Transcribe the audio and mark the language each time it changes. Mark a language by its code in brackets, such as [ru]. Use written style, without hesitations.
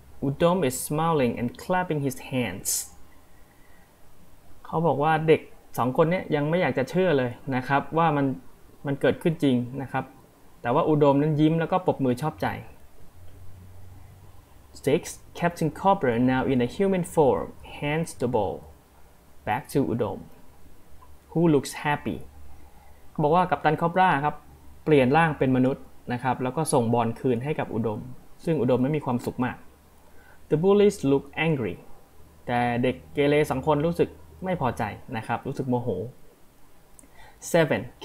[en] Udom is smiling and clapping his hands. [th] เขาบอกว่าเด็ก2คนนี้ยังไม่อยากจะเชื่อเลยนะครับว่ามันเกิดขึ้นจริงนะครับแต่ว่าอุดมนั้นยิ้มแล้วก็ปรบมือชอบใจ 6. [en] Captain Cobra now in a human form hands the ball back to Udom who looks happy. [th] เขาบอกว่ากัปตันคอบราครับเปลี่ยนร่างเป็นมนุษย์นะครับแล้วก็ส่งบอลคืนให้กับอุดมซึ่งอุดมไม่มีความสุขมาก [en] The bullies look angry [th] แต่เด็กเกเรสองคนรู้สึกไม่พอใจนะครับรู้สึกโมโห 7.